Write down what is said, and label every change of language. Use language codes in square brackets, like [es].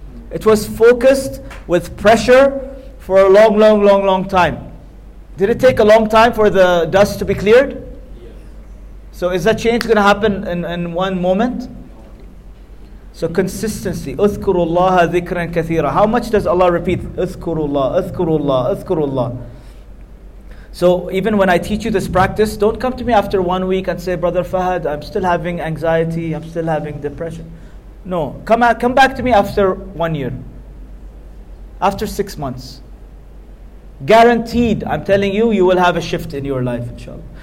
[en] It was focused with pressure for a long, long, long, long time. Did it take a long time for the dust to be cleared? Yes. So is that change going to happen in one moment? So consistency. [ar] اذكروا الله ذكرا كثيرا. [en] How much does Allah repeat? [ar] اذكروا الله, اذكروا الله, اذكروا الله. [en] So even when I teach you this practice, don't come to me after 1 week and say, Brother Fahad, I'm still having anxiety, I'm still having depression. No, come back to me after 1 year. After 6 months. Guaranteed, I'm telling you, you will have a shift in your life, inshallah.